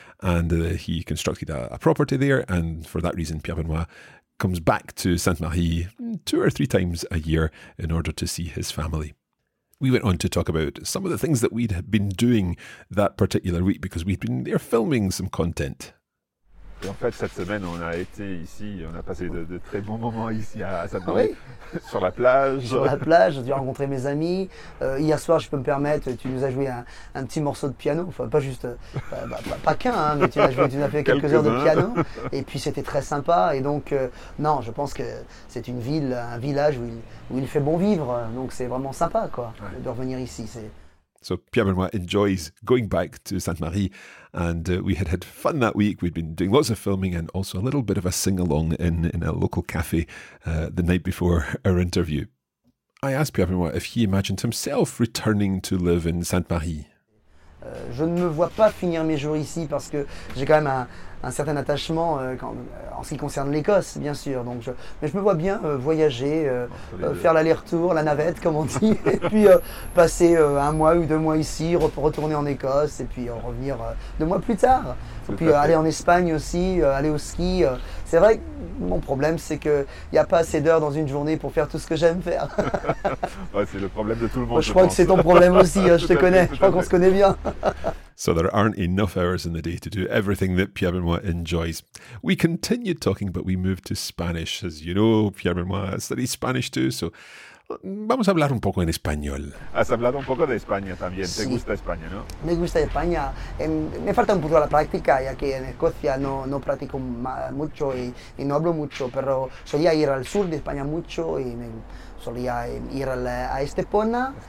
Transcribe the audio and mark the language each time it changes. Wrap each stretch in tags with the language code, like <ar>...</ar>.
<en>And he constructed a property there. And for that reason, Pierre Benoit comes back to Sainte-Marie two or three times a year in order to see his family. We went on to talk about some of the things that we'd been doing that particular week because we'd been there filming some content.</en> <fr>Et en fait, cette semaine, on a été ici, on a passé de très bons moments ici à Sainte-Marie, oui. Sur la plage. Sur la plage, j'ai dû rencontrer mes amis. Hier soir, je peux me permettre, tu nous as joué un petit morceau de piano. Enfin, pas juste, pas qu'un, hein, mais tu nous as fait quelques heures de piano. Et puis, c'était très sympa. Et donc, non, je pense que c'est une ville, un village où il fait bon vivre. Donc, c'est vraiment sympa, quoi, ouais. De revenir ici.</fr> <en>So Pierre Benoit enjoys going back to Sainte-Marie, and we had fun that week. We'd been doing lots of filming and also a little bit of a sing-along in a local cafe the night before our interview. I asked Pierre Benoit if he imagined himself returning to live in Sainte-Marie.</en> <fr>Je ne me vois pas finir mes jours ici parce que j'ai quand même un certain attachement en ce qui concerne l'Écosse, bien sûr. Donc mais je me vois bien voyager, faire l'aller-retour, la navette, comme on dit, et puis passer un mois ou deux mois ici, retourner en Écosse, et puis revenir deux mois plus tard. Et puis aller en Espagne aussi, aller au ski. C'est vrai que mon problème, c'est qu'il n'y a pas assez d'heures dans une journée pour faire tout ce que j'aime faire. Ouais, c'est le problème de tout le monde. Je crois que c'est ton problème aussi, je te connais. Je crois qu'on se connaît bien.</fr> <en>So there aren't enough hours in the day to do everything that Pierre Benoit enjoys. We continued talking, but we moved to Spanish. As you know, Pierre Benoit studies Spanish too, so</en> <es>vamos a hablar un poco en español. Has hablado un poco de España también. Sí. Te gusta España, ¿no? Me gusta España. Me falta un poco la práctica, ya que en Escocia no practico mucho y no hablo mucho, pero solía ir al sur de España mucho y solía ir a Estepona.</es>